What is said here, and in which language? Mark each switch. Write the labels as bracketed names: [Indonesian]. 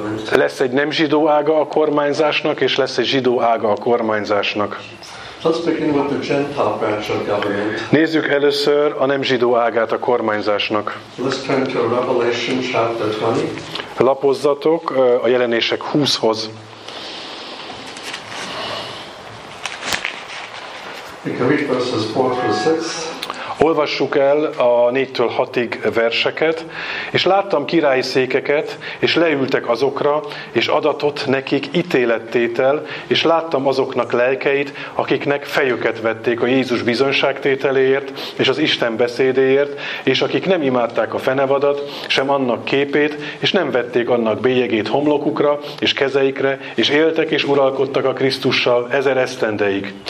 [Hungarian] Lesz egy nem zsidó ága a kormányzásnak, és lesz egy zsidó ága a kormányzásnak. [English] Let's begin with the Gentile branch of government. [Hungarian] Nézzük először a nem zsidó ágát a kormányzásnak. [English] Let's turn to Revelation chapter 20. [Hungarian] Lapozzatok a Jelenések 20-hoz. [English] We can read verses 4 through 6. [Hungarian] Olvassuk el a 4-től 6-ig verseket, és láttam királyi székeket, és leültek azokra, és adatott nekik ítélettétel, és láttam azoknak lelkeit, akiknek fejüket vették a Jézus bizonyságtételéért, és az Isten beszédéért, és akik nem imádták a fenevadat, sem annak képét, és nem vették annak bélyegét homlokukra, és kezeikre, és éltek, és uralkodtak a Krisztussal 1000 esztendeig.